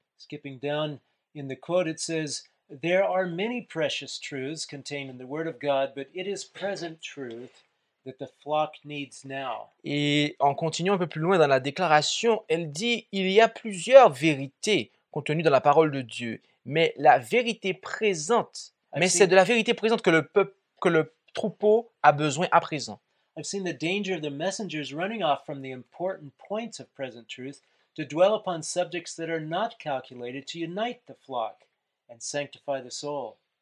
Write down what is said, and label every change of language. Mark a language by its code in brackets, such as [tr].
[en] Skipping down in the quote, it says, "There are many precious truths contained in the Word of God, but it is present truth that the flock needs now." [fr] Et en continuant un peu plus loin dans la déclaration, elle dit, il y a plusieurs vérités contenues dans la parole de Dieu, mais la vérité présente, c'est de la vérité présente que le troupeau a besoin à présent. [en] I've seen the danger of the messengers running off from the important points of present truth to dwell upon subjects that are not calculated to unite the flock and sanctify the soul.